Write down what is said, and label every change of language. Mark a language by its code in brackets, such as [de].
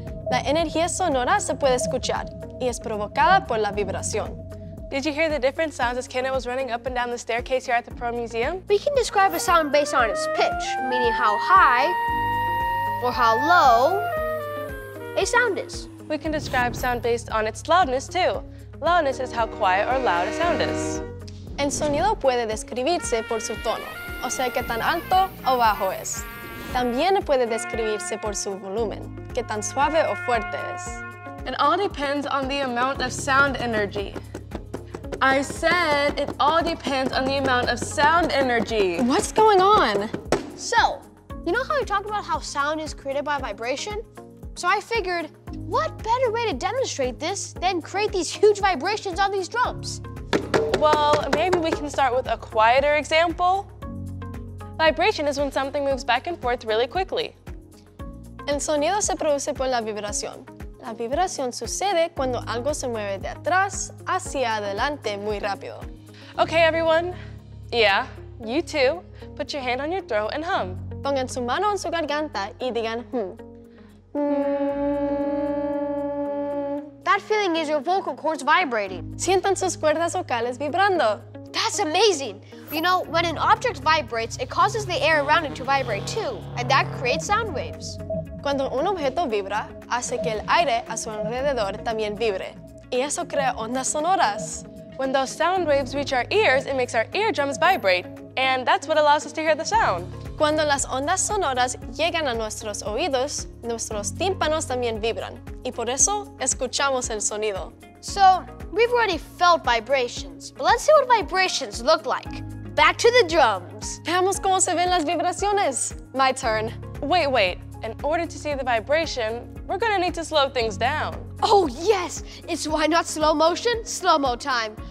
[es] La energía sonora se puede escuchar, y es provocada por la vibración. [en] Did you hear the different sounds as Kenneth was running up and down the staircase here at the Perot Museum? We can describe a sound based on its pitch, meaning how high or how low a sound is. We can describe sound based on its loudness too. Loudness is how quiet or loud a sound is. [es] El sonido puede describirse por su tono, o sea, qué tan alto o bajo es. También puede describirse por su volumen, qué tan suave o fuerte es. [en] It all depends on the amount of sound energy. I said it all depends on the amount of sound energy. What's going on? So, you know how we talked about how sound is created by vibration? So I figured, what better way to demonstrate this than create these huge vibrations on these drums? Well, maybe we can start with a quieter example. Vibration is when something moves back and forth really quickly. [es] El sonido se produce por la vibración. La vibración sucede cuando algo se mueve de atrás hacia adelante muy rápido. [en] Okay, everyone. Yeah, you too. Put your hand on your throat and hum. [es] Pongan su mano en su garganta y digan hum. [en] That feeling is your vocal cords vibrating. [es] Sientan sus cuerdas vocales vibrando. [en] That's amazing. You know, when an object vibrates, it causes the air around it to vibrate too, and that creates sound waves. [es] Cuando un objeto vibra, hace que el aire a su alrededor también vibre. Y eso crea ondas sonoras. [en] When those sound waves reach our ears, it makes our eardrums vibrate. And that's what allows us to hear the sound. [es] Cuando las ondas sonoras llegan a nuestros oídos, nuestros tímpanos también vibran. Y por eso, escuchamos el sonido. [en] So, we've already felt vibrations, but let's see what vibrations look like. Back to the drums. [es] Veamos cómo se ven las vibraciones. [en] My turn. Wait, wait. In order to see the vibration, we're gonna need to slow things down. Oh yes, it's why not slow motion, slow-mo time.